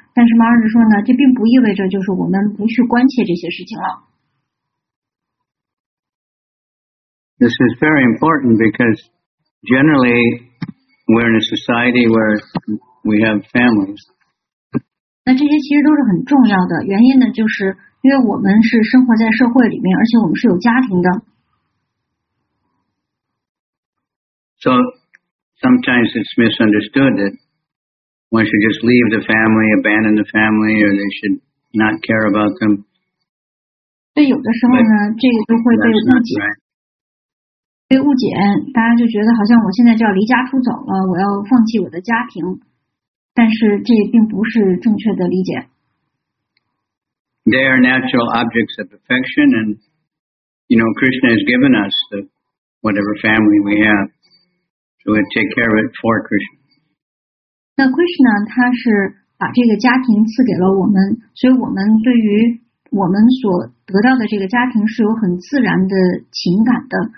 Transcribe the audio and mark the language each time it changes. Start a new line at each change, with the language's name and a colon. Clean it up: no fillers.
Chinese: 但是马尔日说呢，这并不意味着就是我们不去关切这些事情了。
English: This is very important because generally we're in a society where we have families.
Chinese: 那这些其实都是很重要的，原因呢，就是因为我们是生活在社会里面，而且我们是有家庭的。
English: So sometimes it's misunderstood that one should just leave the family, abandon the family, or they should not care about them.
Chinese: 对，有的时候呢，这个就会被误解。被误解，大家就觉得好像我现在就要离家出走了，我要放弃我的家庭，但是这并不是正确的理解。
English: They are natural objects of affection, and you know, Krishna has given us the whatever family we have, so we take care of it for Krishna.
Chinese: 那 Krishna 他是把这个家庭赐给了我们，所以我们对于我们所得到的这个家庭是有很自然的情感的。